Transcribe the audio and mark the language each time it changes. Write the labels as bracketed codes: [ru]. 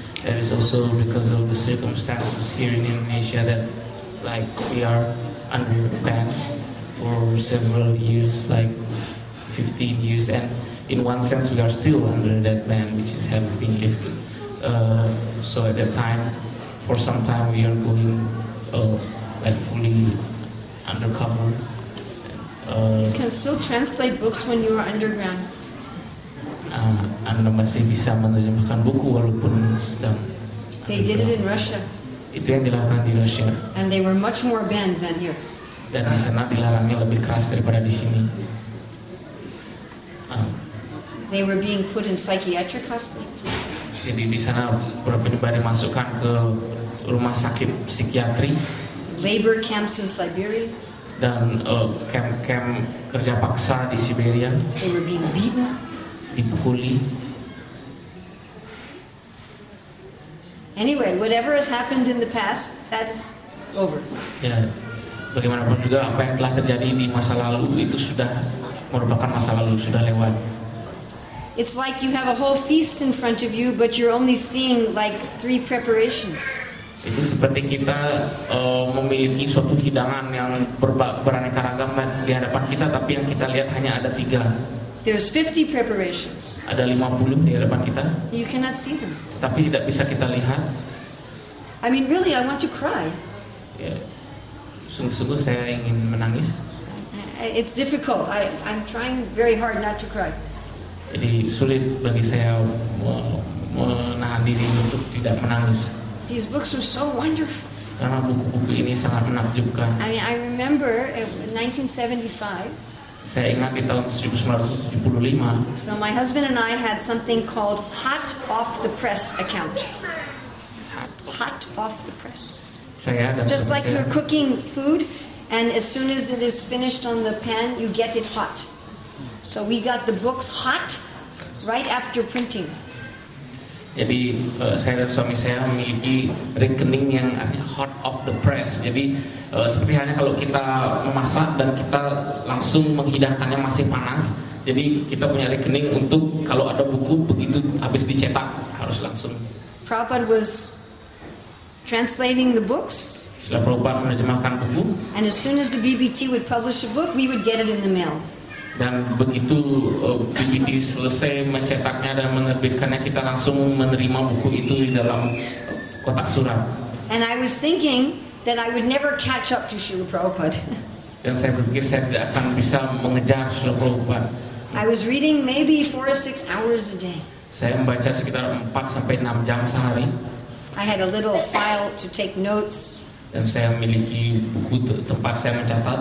[en] That is also because of the circumstances here in Indonesia that like we are under ban for several years, like 15 years, and in one sense we are still under that ban, which is haven't been lifted. So at that time, for some time, we are going like fully undercover. You can still translate books when you are underground. [id] Anda masih bisa menerjemahkan buku walaupun sedang. [en] They did it in Russia. [id] Itu yang dilakukan di Rusia. [en] And they were much more banned than here. [id] Dan di sana dilarangnya lebih keras daripada di sini. [en] They were being put in psychiatric hospitals. [id] Jadi di sana beberapa dimasukkan ke rumah sakit psikiatri. [en] Labor camps in Siberia. [id] Dan camp-camp kerja paksa di Siberia. [en] They were being beaten. [id] Dipukuli. [en] Anyway, whatever has happened in the past, that's over. [id] Ya, bagaimanapun juga apa yang telah terjadi di masa lalu itu sudah merupakan masa lalu, sudah lewat. [en] It's like you have a whole feast in front of you, but you're only seeing like three preparations. [id] Itu seperti kita memiliki suatu hidangan yang beraneka ragam di hadapan kita, tapi yang kita lihat hanya ada tiga. [en] There's 50 preparations. [id] Ada 50 di hadapan kita. [en] You cannot see them. [id] Tetapi tidak bisa kita lihat. [en] I mean, really, I want to cry. [id] Sungguh-sungguh saya ingin menangis. [en] It's difficult. I'm trying very hard not to cry. [id] Jadi sulit bagi saya menahan diri untuk tidak menangis. [en] These books are so wonderful. [id] Karena buku-buku ini sangat menakjubkan. [en] I mean, I remember in 1975. [id] Saya ingat di tahun 1975. [en] So my husband and I had something called hot off the press account. Hot off the press. [id] Saya dan [en] just like [id] saya, [en] you're cooking food, and as soon as it is finished on the pan, you get it hot. So we got the books hot right after printing. [id] Jadi saya dan suami saya memiliki rekening yang artinya [en] hot off the press. [id] Jadi seperti halnya kalau kita memasak dan kita langsung menghidangkannya masih panas. Jadi kita punya rekening untuk kalau ada buku begitu habis dicetak harus langsung. [en] Prabhupada was translating the books. [id] Srila Prabhupada menerjemahkan buku. [en] And as soon as the BBT would publish a book, we would get it in the mail. [id] Dan begitu BBT selesai mencetaknya dan menerbitkannya, kita langsung menerima buku itu di dalam kotak surat. [en] And I was thinking that I would never catch up to Srila Prabhupada. [id] Dan saya berpikir saya tidak akan bisa mengejar Srila Prabhupada. [en] I was reading maybe 4-6 hours a day. [id] Saya membaca sekitar 4-6 jam sehari. [en] I had a little file to take notes. [id] Dan saya memiliki buku tempat saya mencatat.